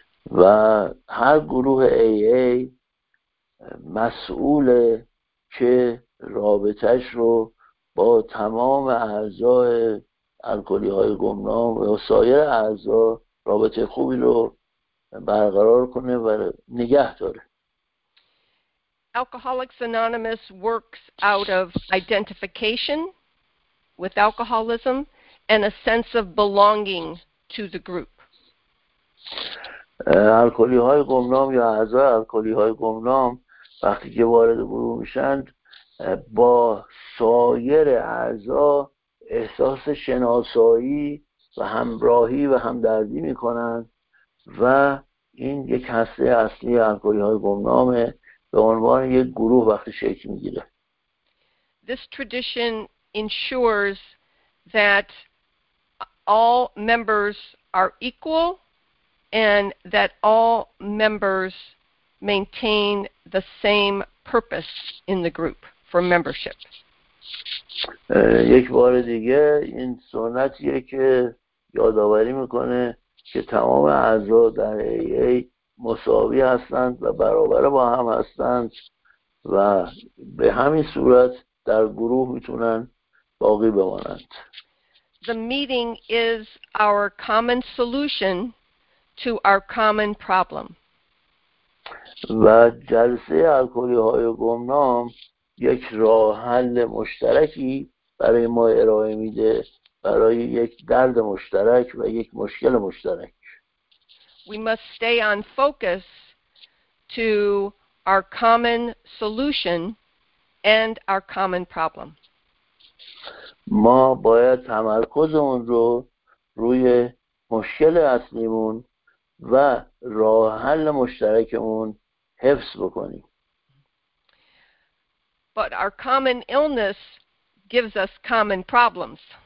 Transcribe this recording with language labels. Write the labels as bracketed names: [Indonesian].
[Persian] و هر گروه AA مسئول که رابطش رو با تمام اعضای الکلی های گمنام و سایر اعضا رابطه خوبی رو برقرار کنه و نگه داره. [English] Alcoholics Anonymous works out of identification with alcoholism and a sense of belonging to the group. [Persian] الکلی های گمنام یا اعضای الکلی های گمنام وقتی که وارد گروه میشن با سایر اعضا احساس شناسایی و همراهی و همدردی می کنند و این یک هسته اصلی الکلی های گمنامه به عنوان یک گروه وقتی شکل می گیره. [English] This tradition ensures that all members are equal and that all members maintain the same purpose in the group. For membership. [Persian] یک بار دیگه این سنتیه که یادآوری میکنه که تمام اعضا در AA مساوی هستند و برابر با هم هستند و به همین صورت در گروه میتونن باقی بمانند. [English] The meeting is our common solution to our common problem. [Persian] و جلسه الکلی های گمنام یک راه حل مشترکی برای ما ارائه میده برای یک درد مشترک و یک مشکل مشترک. [English] We must stay on focus to our common solution and our common problem. [Persian] ما باید تمرکزمون رو روی مشکل اصلیمون و راه حل مشترکمون حفظ بکنیم. [English] But our common illness gives us common problems.